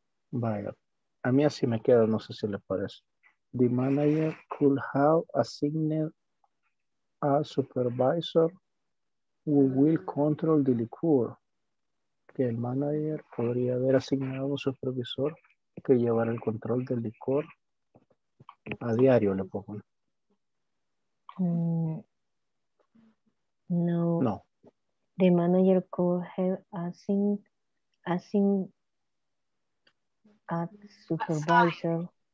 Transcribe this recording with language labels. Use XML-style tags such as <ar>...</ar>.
<es>Vaya, a mí así me queda, no sé si le parece.</es> <en>The manager could have assigned a supervisor who will control the liquor.</en> <es>Que el manager podría haber asignado un supervisor que llevara el control del licor a diario, le pongo. No.</es> <en>The manager could have assigned a supervisor.</en>